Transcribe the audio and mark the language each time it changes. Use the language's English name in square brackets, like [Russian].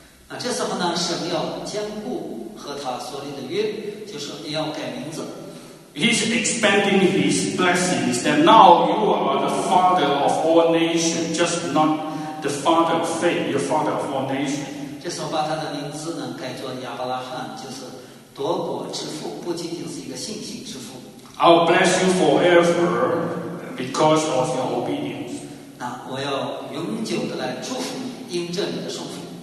[Chinese] 那这时候呢，神要坚固和他所立的约，就说你要改名字。 [English] He's expanding his blessings that now you are the father of all nations, just not the father of faith, you're father of all nations. [Chinese] 这时候把他的名字呢改作亚伯拉罕，就是多国之父，不仅仅是一个信心之父。 [English] I'll bless you forever because of your obedience. [Chinese] 那我要永久的来祝福你，因着你的顺服。